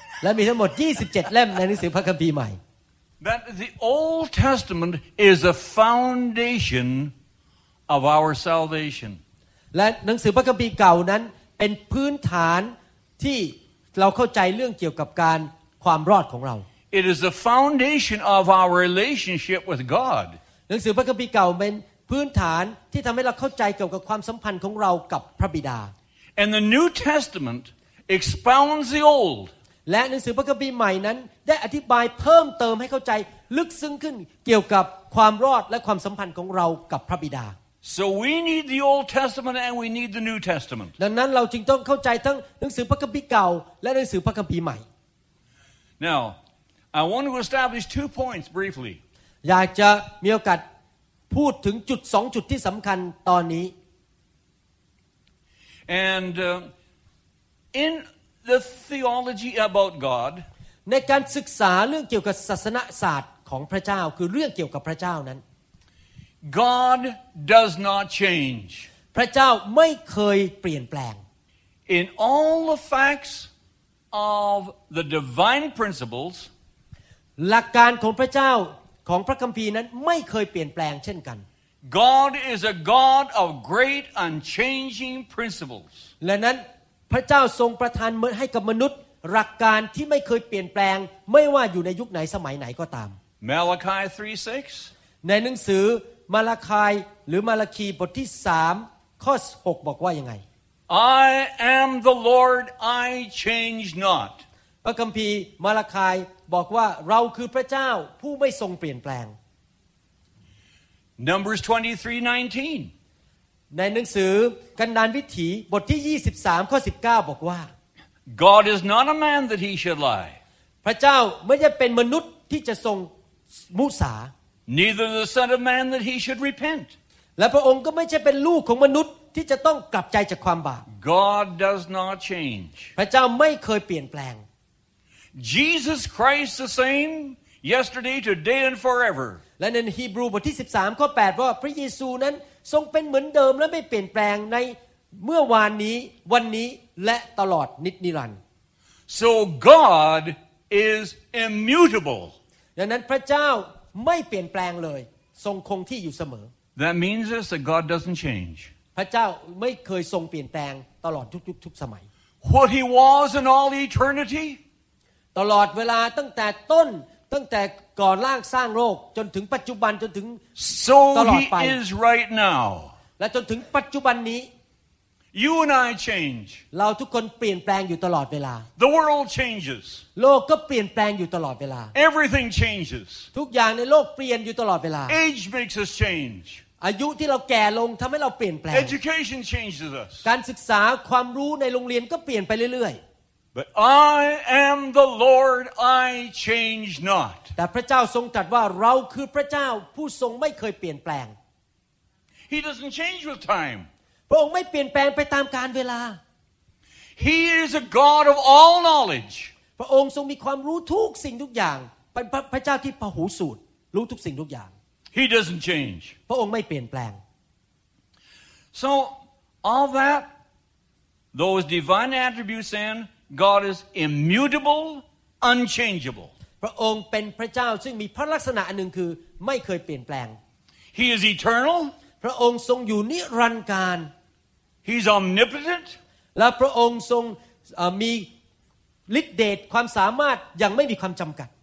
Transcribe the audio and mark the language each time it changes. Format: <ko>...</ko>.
<th>และมีทั้งหมด27เล่มในหนังสือพระคัมภีร์ใหม่</th> <en>That the Old Testament is the foundation of our salvation.</en> <th>และหนังสือพระคัมภีร์เก่านั้นเป็นพื้นฐานที่เราเข้าใจเรื่องเกี่ยวกับการความรอดของเรา</th> <en>It is the foundation of our relationship with God.</en> <th>หนังสือพระคัมภีร์เก่าเป็นพื้นฐานที่ทำให้เราเข้าใจเกี่ยวกับความสัมพันธ์ของเรากับพระบิดา</th> <en>And the New Testament expounds the Old.</en> <th>และหนังสือพระคัมภีร์ใหม่นั้นได้อธิบายเพิ่มเติมให้เข้าใจลึกซึ้งขึ้นเกี่ยวกับความรอดและความสัมพันธ์ของเรากับพระบิดา</th> <en>So we need the Old Testament and we need the New Testament.</en> <th>ดังนั้นเราจึงต้องเข้าใจทั้งหนังสือพระคัมภีร์เก่าและหนังสือพระคัมภีร์ใหม่</th> <en>Now. I want to establish two points briefly.</en> <th>อยากจะมีโอกาสพูดถึงจุด2จุดที่สำคัญตอนนี้</th> <en>And in the theology about God</en> <th>ในการศึกษาเรื่องเกี่ยวกับศาสนศาสตร์ของพระเจ้าคือเรื่องเกี่ยวกับพระเจ้านั้น</th> <en>God does not change.</en> <th>พระเจ้าไม่เคยเปลี่ยนแปลง</th> <en>In all the facts of the divine principles,</en> <th>หลักการของพระเจ้าของพระคัมภีร์นั้นไม่เคยเปลี่ยนแปลงเช่นกัน</th> <en>God is a God of great unchanging principles</en> <th>และนั้นพระเจ้าทรงประทานให้กับมนุษย์หลักการที่ไม่เคยเปลี่ยนแปลงไม่ว่าอยู่ในยุคไหนสมัยไหนก็ตาม</th> <en>Malachi 3:6</en> <th>ในหนังสือมาระคายหรือมาระคีบทที่3ข้อ6บอกว่ายังไง</th> <en>I am the Lord I change not</en> <th>พระคัมภีร์มาระคายบอกว่าเราคือพระเจ้าผู้ไม่ทรงเปลี่ยนแปลง</th> <en>Numbers 23:19</en> <th>ในหนังสือกันดารวิถีบทที่23ข้อ19บอกว่า</th> <en>God is not a man that he should lie</en> <th>พระเจ้าไม่ใช่เป็นมนุษย์ที่จะทรงมุสา</th> <en>Neither the son of man that he should repent</en> <th>และพระองค์ก็ไม่ใช่เป็นลูกของมนุษย์ที่จะต้องกลับใจจากความบาป</th> <en>God does not change</en> <th>พระเจ้าไม่เคยเปลี่ยนแปลง</th> <en>Jesus Christ the same yesterday today and forever.</en> <th>และในฮีบรูบทที่13ข้อ8ว่าพระเยซูนั้นทรงเป็นเหมือนเดิมและไม่เปลี่ยนแปลงในเมื่อวานนี้วันนี้และตลอดนิจนิรันดร์</th> <en>So God is immutable.</en> <th>ดังนั้นพระเจ้าไม่เปลี่ยนแปลงเลยทรงคงที่อยู่เสมอ</th> <en>That means that God doesn't change.</en> <th>พระเจ้าไม่เคยทรงเปลี่ยนแปลงตลอดทุกสมัย</th> <en>What he was in all eternity</en> <th>ตลอดเวลาตั้งแต่ต้นตั้งแต่ก่อนร่างสร้างโลกจนถึงปัจจุบันจนถึงตลอดไป</th> <en>So he is right now</en> <th>และจนถึงปัจจุบันนี้</th> <en>You and I change</en> <th>เราทุกคนเปลี่ยนแปลงอยู่ตลอดเวลา</th> <en>The world changes</en> <th>โลกก็เปลี่ยนแปลงอยู่ตลอดเวลา</th> <en>Everything changes</en> <th>ทุกอย่างในโลกเปลี่ยนอยู่ตลอดเวลา</th> <en>Age makes us change</en> <th>อายุที่เราแก่ลงทำให้เราเปลี่ยนแปลง</th> <en>Education changes us</en> <th>การศึกษาความรู้ในโรงเรียนก็เปลี่ยนไปเรื่อยๆ</th> <en>But I am the Lord, I change not.</en> <th>แต่พระเจ้าทรงตรัสว่าเราคือพระเจ้าผู้ทรงไม่เคยเปลี่ยนแปลง</th> <en>He doesn't change with time.</en> <th>พระองค์ไม่เปลี่ยนแปลงไปตามกาลเวลา</th> <en>He is a God of all knowledge.</en> <th>พระองค์ทรงมีความรู้ทุกสิ่งทุกอย่างเป็นพระเจ้าที่พหูสูตรรู้ทุกสิ่งทุกอย่าง</th> <en>He doesn't change.</en> <th>พระองค์ไม่เปลี่ยนแปลง</th> <en>So all that, those divine attributes and God is immutable, unchangeable.</en> <th>พระองค์เป็นพระเจ้าซึ่งมีพระลักษณะอันหนึ่งคือไม่เคยเปลี่ยนแปลง</th> <en>He is eternal.</en> <th>พระองค์ทรงอยู่นิรันดร์กาล</th> <en>He is omnipotent.</en> <th>และพระองค์ทรงมีฤทธิ์เดชความสามารถยังไม่มีความจำกัด</th>